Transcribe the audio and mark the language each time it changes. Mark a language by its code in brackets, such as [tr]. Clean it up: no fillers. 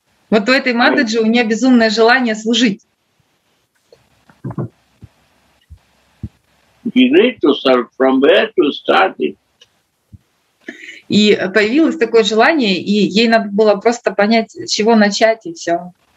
[ru] Вот у этой Матаджи у нее безумное желание служить. [en] You need to start from where to start it. [ru] И появилось такое желание, и ей надо было просто понять, с чего начать, и все.